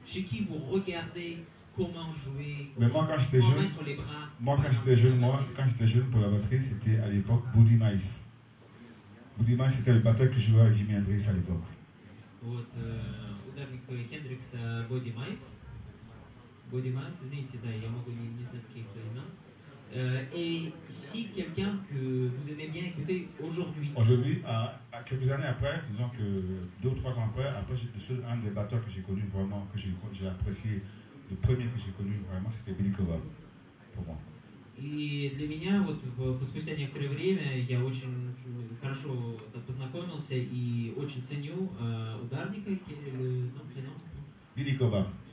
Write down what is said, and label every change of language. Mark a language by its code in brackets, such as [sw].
[fr] Chez qui vous regardez comment jouer? Mais moi quand j'étais jeune, les bras, moi quand j'étais jeune, moi quand j'étais jeune pour la batterie, c'était à l'époque Buddy Miles. Buddy Miles c'était le batteur que je jouais avec Jimi Hendrix à l'époque. [ru] Вот ударник Hendrix Buddy Miles. Buddy Miles, извините, да, я могу не знать каких-то имен. [fr] Et si quelqu'un que vous aimez bien écouter aujourd'hui. Aujourd'hui, à quelques années après, disons que deux ou trois ans après un des batteurs que j'ai connu vraiment, que j'ai apprécié, le premier que j'ai connu vraiment, c'était Billy Cobham, pour moi. [ru] Et для меня, вот, спустя некоторое время, я очень хорошо познакомился и очень ценю ударника, Ну, Billy Cobham.